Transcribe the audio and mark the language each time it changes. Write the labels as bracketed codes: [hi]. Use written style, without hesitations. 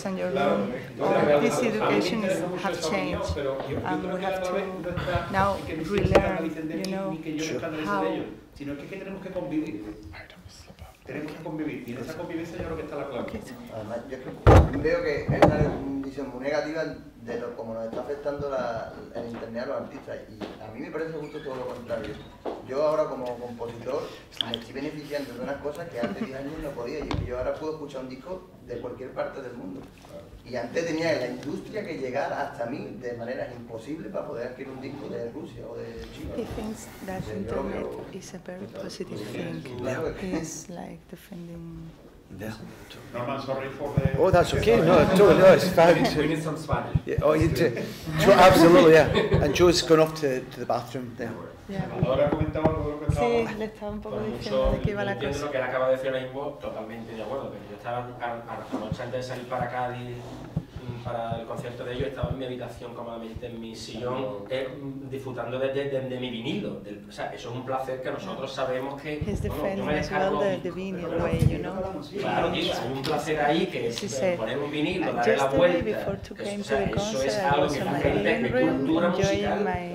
[en] This education has changed, and we have to now relearn, you know, how. [es] Sino que tenemos que convivir. Tenemos que convivir, y en esa convivencia yo creo que está la clave. Además, yo creo que es una visión muy negativa de cómo nos está afectando el internet a los artistas, y a mí me parece justo todo lo contrario. Yo ahora como compositor me estoy beneficiando de unas cosas que hace 10 años no podía, y es que yo ahora puedo escuchar un disco de cualquier parte del mundo. Y antes tenía la industria que llegara hasta mí de manera imposible para poder adquirir un disco de Rusia o de China. [en] He thinks that internet is a very positive thing. It's like defending. Yeah. No, I'm sorry for the... Oh, that's okay. No, no, it's fine. We need some Spanish. Yeah. Oh, you do. Absolutely, yeah. And Joe's gone off to the bathroom there. [es] Ahora comentaba lo que estaba. Sí, le estaba un poco diciendo de qué iba la cosa. Entiendo lo que él acaba de decir ahora mismo, totalmente de acuerdo. Pero yo estaba anoche antes de salir para Cádiz, para el concierto de ellos, estaba en mi habitación cómodamente, en mi sillón, disfrutando de mi vinilo. O sea, eso es un placer que nosotros sabemos que. [en] His defense as well, the vinyl way, you know. [es] Claro, tío, hay un placer ahí que es poner un vinilo, darle la vuelta. Eso es algo que la gente, mi cultura musical.